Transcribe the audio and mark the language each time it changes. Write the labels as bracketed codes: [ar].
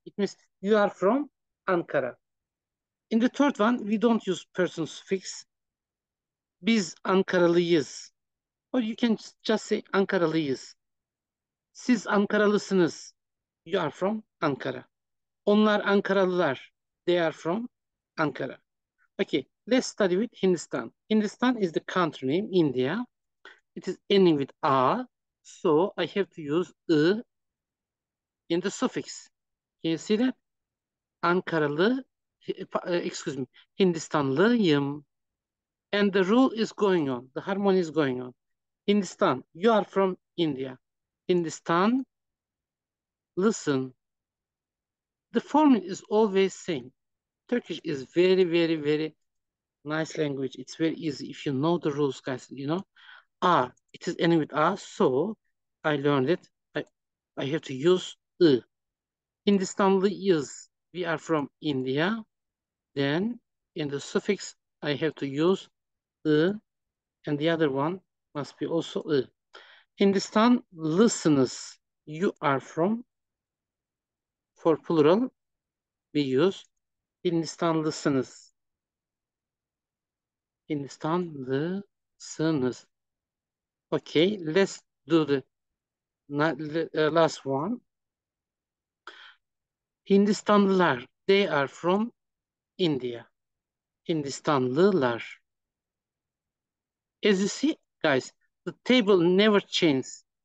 [en] It means you are from Ankara. In the third one, we don't use person suffix. [tr] Biz Ankaralıyız. [en] Or you can just say Ankaralıyız. [tr] Siz Ankaralısınız. [en] You are from Ankara. [tr] Onlar Ankaralılar. [en] They are from Ankara. Okay, let's study with Hindistan. Hindistan is the country name, India. It is ending with a, so I have to use ı in the suffix. Can you see that? Ankaralı, excuse me, Hindistanlıyım. And the rule is going on. The harmony is going on. Hindistan, you are from India. Hindistan, listen. The form is always same. Turkish is very, very, very nice language. It's very easy if you know the rules, guys. You know, a. It is ending with a, so I learned it. I have to use ı. Hindistanlıyız. We are from India. Then in the suffix, I have to use ı, and the other one must be also ı. Hindistanlısınız. You are from. For plural, we use Hindistanlısınız. [tr] Hindistanlısınız. [en] Okay, let's do the last one. Hindistanlılar, they are from India. Hindistanlılar. As you see, guys, the table never changes.